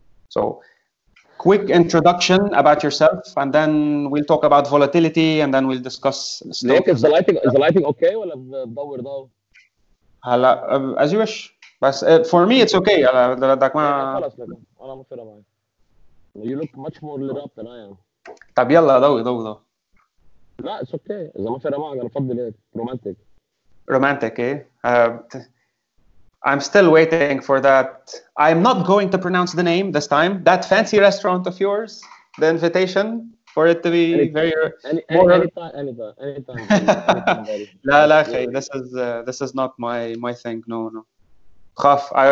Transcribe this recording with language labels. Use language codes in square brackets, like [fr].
[en] So quick introduction about yourself, and then we'll talk about volatility, and then we'll discuss stock. Is the lighting okay? Well, I've Hala, as you wish. But for me, it's okay. You look much more lit up than I am. [ar] طب يلا ضوي ضوي ضوي. لا [en] it's okay. [ar] إذا ما فرق معك أنا أفضل هيك رومانتيك. رومانتيك إيه. [en] I'm still waiting for that. I'm not going to pronounce the name this time. That fancy restaurant of yours, the invitation for it to be anytime. Very. Anytime. [ar] لا لا خي. [en] This is not my thing. No. [ar] خاف.